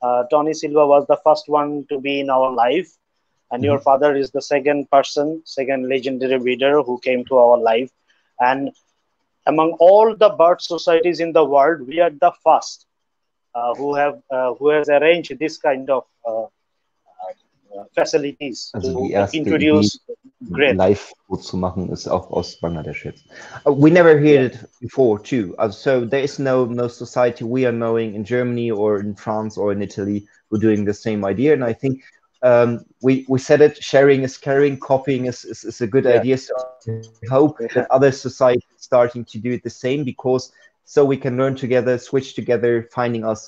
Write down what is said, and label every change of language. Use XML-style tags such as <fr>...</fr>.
<en>Tony Silva was the first one to be in our live, and your father is the second legendary breeder who came to our live. And among all the bird societies in the world, we are the first who has arranged this kind of facilities to introduce great.</en> <de>Live zu machen ist auch aus Bangladesch jetzt.</de> <en>We never heard it before too. So there is no society we are knowing in Germany or in France or in Italy who are doing the same idea. And I think we said it, sharing is caring, copying is a good idea. So I hope that other societies are starting to do it the same, because so we can learn together, switch together, finding us.</en>